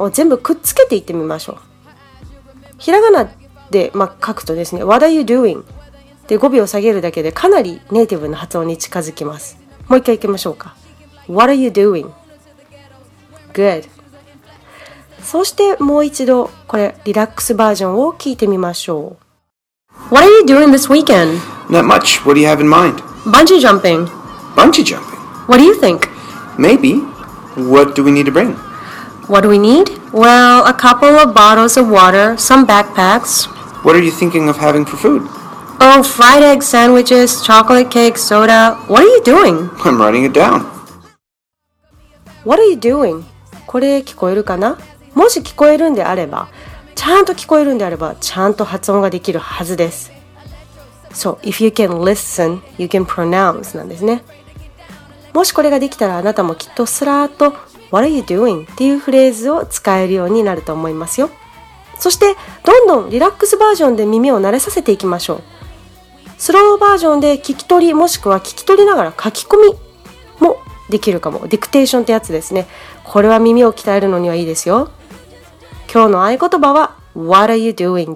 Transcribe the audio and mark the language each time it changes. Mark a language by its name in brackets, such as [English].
[Japanese] を全部くっつけていってみましょう。ひらがなで、まあ、書くとですね [English] What are you doing? [Japanese] で語尾を下げるだけでかなりネイティブの発音に近づきます。もう一回いきましょうか。 [English] What are you doing? Good。 [Japanese] そしてもう一度これリラックスバージョンを聞いてみましょう。 [English] What are you doing this weekend? Not much. What do you have in mind? Bungee jumping. Bungee jumping? What do you think? Maybe. What do we need to bring? What do we need? Well, a couple of bottles of water, some backpacks. What are you thinking of having for food? Oh, fried egg sandwiches, chocolate cake, soda. What are you doing? I'm writing it down. What are you doing? [Japanese] これ聞こえるかな？もし聞こえるんであれば、ちゃんと聞こえるんであれば、ちゃんと発音ができるはずです。 [English] So, if you can listen, you can pronounce [Japanese] なんですね。もしこれができたら、あなたもきっとスラーっと [English] What are you doing? [Japanese] っていうフレーズを使えるようになると思いますよ。そしてどんどんリラックスバージョンで耳を慣れさせていきましょう。スローバージョンで聞き取りもしくは聞き取りながら書き込みもできるかも。ディクテーションってやつですね。これは耳を鍛えるのにはいいですよ。今日の合言葉は [English] What are you doing?